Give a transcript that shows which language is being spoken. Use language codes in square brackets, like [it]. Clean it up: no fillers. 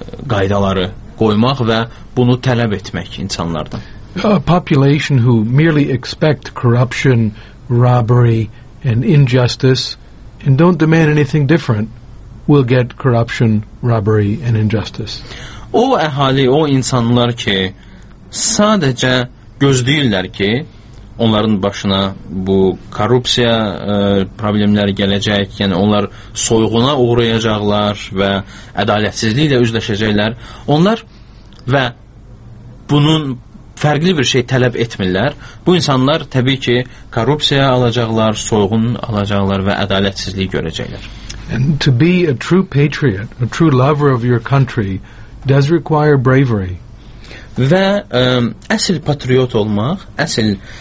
[az] qaydaları qoymaq və bunu tələb etmək insanlardan. [en] A population who merely expect corruption, robbery and injustice and don't demand anything different will get corruption, robbery and injustice. [az] O əhali, o insanlar ki, sadəcə gözləyirlər ki, onların başına bu korrupsiya problemləri gələcək, yəni onlar soyğuna uğrayacaqlar və ədalətsizliklə üzləşəcəklər. Onlar və bunun fərqli bir şey tələb etmirlər. Bu insanlar təbii ki, korrupsiya alacaqlar, soyğun alacaqlar və ədalətsizliyi görəcəklər. [en] And to be a true patriot, a true lover of your country does require bravery. [az] Və əsl patriot olmaq, əsl